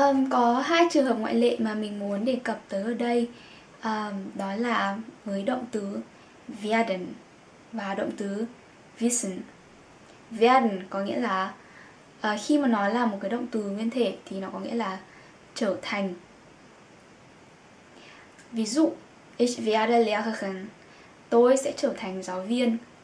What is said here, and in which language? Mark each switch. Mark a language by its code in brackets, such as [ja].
[vi] Có hai trường hợp ngoại lệ mà mình muốn đề cập tới ở đây. Đó là với động từ werden và động từ wissen. Werden có nghĩa là khi mà nó là một cái động từ nguyên thể thì nó có nghĩa là trở thành. Ví dụ, [de] ich werde Lehrerin. [vi] Tôi sẽ trở thành giáo viên.